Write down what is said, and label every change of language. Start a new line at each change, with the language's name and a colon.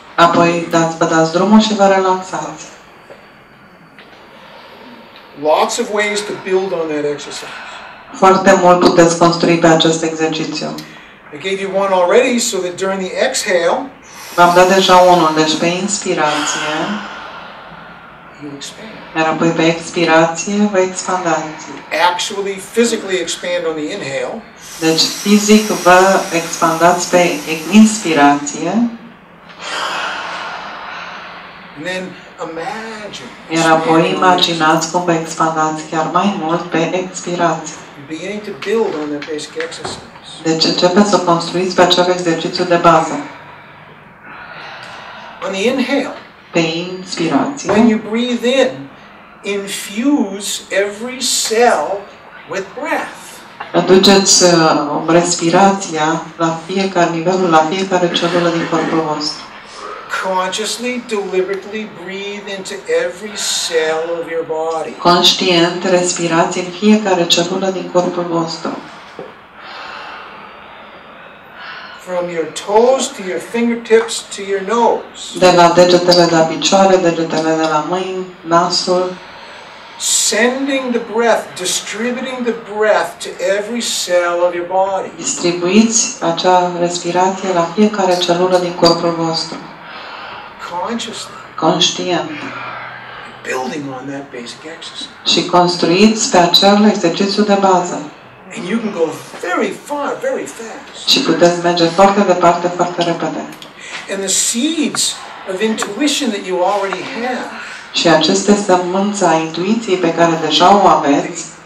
Romanian: Apoi dați drumul și vă relaxați.
English: Lots of ways to build on that exercise.
Romanian: Foarte mult puteți construi pe acest exercițiu.
English: I gave you one already so that during the exhale,
Romanian: v-am dat deja unul, deci pe inspirație,
English: you expand.
Romanian: Iar apoi pe expirație, vă expandați.
English: Actually, physically expand on the inhale.
Romanian: Deci fizic vă expandați pe inspirație.
English: And then imagine.
Romanian: Iar apoi imaginați cum vă expandați chiar mai mult pe expirație.
English: Beginning to build on the basic exercise.
Romanian: Deci începeți să construiți pe acel exercițiu de bază.
English: On the inhale.
Romanian: Pe inspirație.
English: When you breathe in, infuse every cell with breath.
Romanian: Aduceți respirația la fiecare nivel, la fiecare celulă din corpul vostru.
English: Consciously, deliberately breathe into every cell of your body.
Romanian: Conștient, respirați în fiecare celulă din corpul vostru.
English: From your toes to your fingertips to your nose.
Romanian: De la degetele de la picioare, degetele de la mâini, nasul.
English: Sending the breath, distributing the breath to every cell of your body.
Romanian: Distribuiți acea respirație la fiecare celulă din corpul vostru.
English: Consciously.
Romanian: conștient.
English: Building on that basic exercise.
Romanian: Și construiți pe acel exercițiu de bază.
English: And you can go very far, very fast.
Romanian: Și puteți merge foarte departe, foarte repede.
English: And the seeds of intuition that you already have.
Romanian: Și aceste sămânțe a intuiției pe care deja o aveți.